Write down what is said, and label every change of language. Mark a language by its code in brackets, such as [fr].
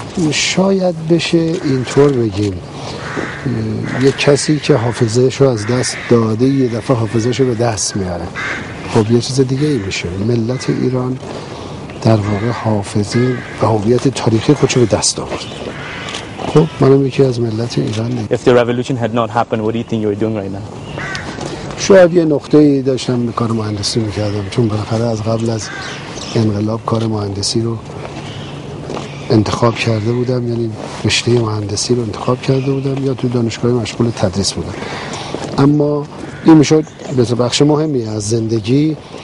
[fa] شاید بشه اینطور بگیم یک کسی که حافظه‌اش رو از دست داده یه دفعه حافظه‌اش رو به دست میاره، خب یه چیز دیگه ای میشه. ملت ایران در واقع حافظه و هویت تاریخی خودش رو به دست آورد. خب منم یکی از ملت ایران دیگه. [en] If the revolution had not happened, what do you think you were doing right now? [fa] شاید یه نقطه ای داشتم به کار مهندسی میکردم، چون بالاخره از قبل از انقلاب کار مهندسی رو انتخاب کرده بودم، یعنی رشته مهندسی رو انتخاب کرده بودم یا تو دانشگاه مشغول تدریس بودم. اما این میشد به بخش مهمی از زندگی.